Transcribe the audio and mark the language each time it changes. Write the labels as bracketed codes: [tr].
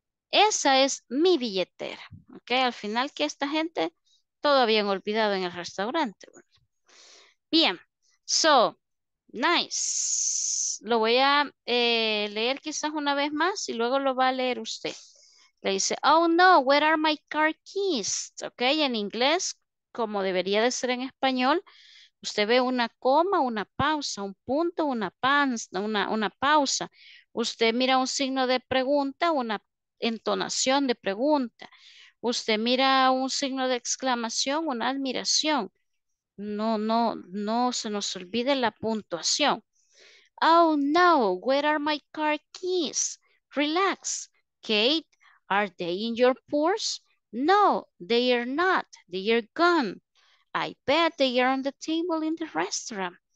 [es] Esa es mi billetera. ¿Okay? Al final que esta gente todo habían olvidado en el restaurante. Bien, [en] so... Nice. [es] Lo voy a leer quizás una vez más y luego lo va a leer usted. Le dice, [en] oh no, where are my car keys? [es] Ok, en inglés, como debería de ser en español, usted ve una coma, una pausa, un punto, una pausa. Usted mira un signo de pregunta, una entonación de pregunta. Usted mira un signo de exclamación, una admiración. No, no, no se nos olvide la puntuación. [en] Oh, no, where are my car keys? Relax, Kate, are they in your purse? No, they are not. They are gone. I bet they are on the table in the restaurant.